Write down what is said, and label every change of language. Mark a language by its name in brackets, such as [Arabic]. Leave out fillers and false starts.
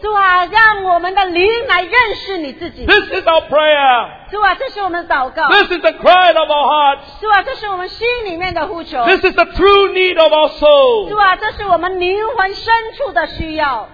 [Chinese] 主啊, 让我们的灵来认识你自己。 [English] This is our prayer. [Chinese] 主啊, 这是我们的祷告。 [English] This is the cry of our hearts. [Chinese] 主啊, 这是我们心里面的呼求。 [English] This is the true need of our soul. [Chinese] 主啊, 这是我们灵魂深处的需要。